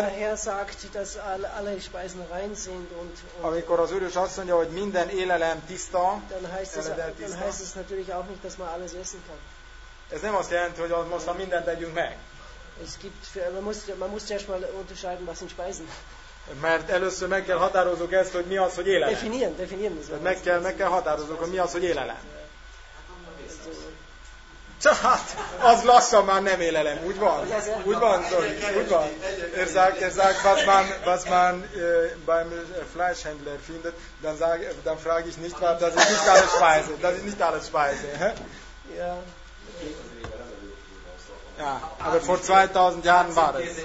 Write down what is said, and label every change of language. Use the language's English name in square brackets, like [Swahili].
[German] der Herr sagt, dass alle Speisen rein sind und [Hungarian] amikor az Úrös azt mondja, hogy minden élelem tiszta, [German] dann heißt es natürlich auch nicht, dass man alles essen kann. [Hungarian] Ez nem azt jelenti, hogy most a mindent tegyünk meg. [German] Es gibt, man muss zuerst mal unterscheiden, was sind Speisen. [Hungarian] Mert először meg kell határozok ezt, hogy mi az, hogy élelem. [German] Definieren. Tehát [Hungarian] meg kell határozok, hogy mi az, hogy élelem. Tehát, az lassan már nem élelem, úgy van? Úgy van, Zoli? Úgy van? [German] Er sagt, was man beim Fleischhändler findet, dann frage ich nicht, was, das ist nicht alles Speise. Ja, aber vor 2000 Jahren war das.